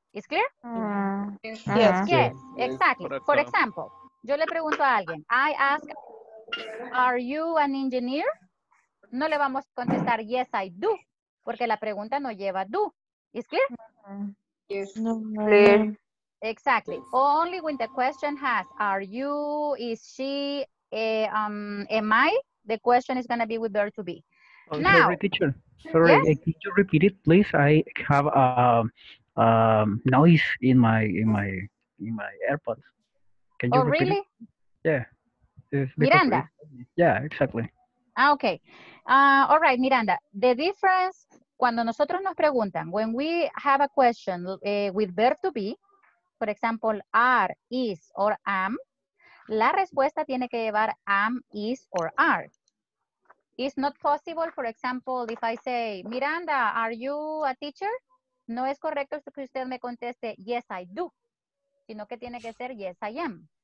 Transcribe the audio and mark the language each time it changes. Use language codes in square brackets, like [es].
[en] Is clear? Yes. Yes. Yes. Exactly. For example, [es] yo le pregunto a alguien, [en] I ask, are you an engineer? [es] No le vamos a contestar [en] yes, I do, [es] porque la pregunta no lleva do. [en] Is clear? Yes. Exactly. Only when the question has are you, is she, am I, the question is going to be with verb to be. Oh, now, sorry, teacher. Sorry, yes? Can you repeat it, please? I have a noise in my AirPods. Can you repeat? Really? It? Yeah. Miranda. Yeah, exactly. Ah, okay. All right, Miranda. The difference. [es] Cuando nosotros nos preguntan, [en] when we have a question with verb to be, for example, are, is, or am, [es] la respuesta tiene que llevar [en] am, is, or are. It's not possible, for example, if I say, Miranda, are you a teacher? [es] No es correcto que usted me conteste, [en] yes, I do. [es] Sino que tiene que ser, [en] yes, I am.